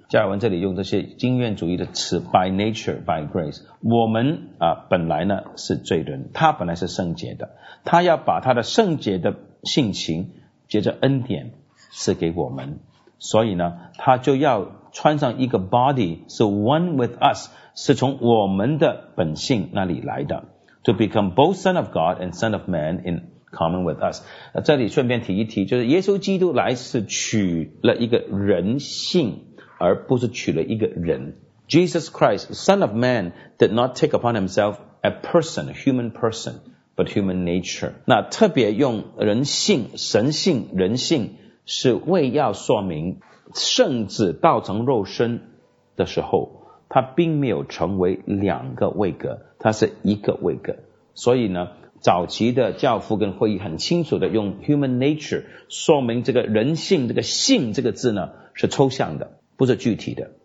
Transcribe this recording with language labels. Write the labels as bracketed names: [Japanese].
[Chinese] 加尔文这里用这些经验主义的词 [English] by nature, by grace, [Chinese] 我们本来呢是罪人，他本来是圣洁的，他要把他的圣洁的性情接着恩典赐给我们，所以呢他就要穿上一个 [English] body, [Chinese] 是 [English] one with us, [Chinese] 是从我们的本性那里来的 [English] to become both son of God and son of man in common with us. [Chinese] 这里顺便提一提，就是耶稣基督来是取了一个人性，而不是取了一个人。 [English] Jesus Christ, Son of Man, did not take upon himself a person, a human person, but human nature. [Chinese] 那特别用人性、神性、人性，是为要说明圣子道成肉身的时候，他并没有成为两个位格，他是一个位格。所以呢，早期的教父跟会议很清楚的用 human nature 说明这个人性，这个性这个字呢是抽象的，不是具体的。